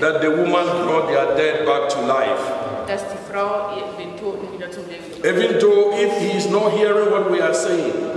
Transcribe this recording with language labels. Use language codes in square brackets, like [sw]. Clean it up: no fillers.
[en] That the woman brought their dead back to life. [de] Dass die Frau den Toten wieder zum Leben bringt. [en] Even though if he is not hearing what we are saying.